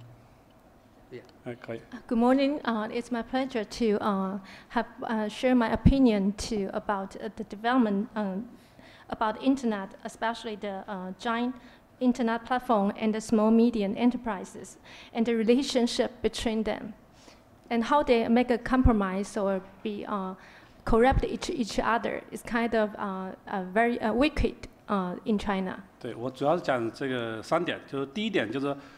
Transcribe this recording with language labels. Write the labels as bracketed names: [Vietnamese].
[Chinese] 这个也就是说，这个少数的巨头和这些众多的小矮人，怎么样共同发展？这个和谐共舞。今天由我们陈教授帮我翻译一下。可以。 [English] Good morning. It's my pleasure to share my opinion to about the development about internet, especially the giant internet platform and the small medium enterprises, and the relationship between them, and how they make a compromise or be corrupt each other is kind of very wicked in China. [Chinese] 对，我主要是讲这个三点，就是第一点就是